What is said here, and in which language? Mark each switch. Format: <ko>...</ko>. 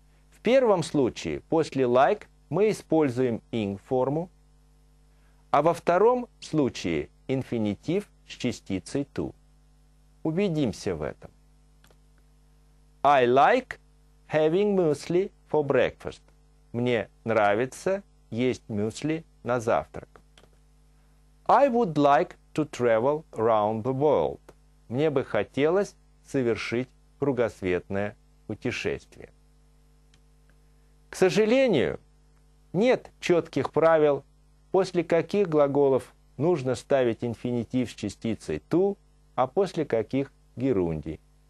<ru>В первом случае после like мы используем ing форму, а во втором случае инфинитив с частицей to. Убедимся в этом.</ru> <en>I like having muesli for breakfast.</en> <ru>Мне нравится есть мюсли на завтрак.</ru> <en>I would like to travel around the world.</en> <ru>Мне бы хотелось совершить кругосветное путешествие. К сожалению, нет четких правил, после каких глаголов нужно ставить инфинитив с частицей to, а после каких – герундий.</ru>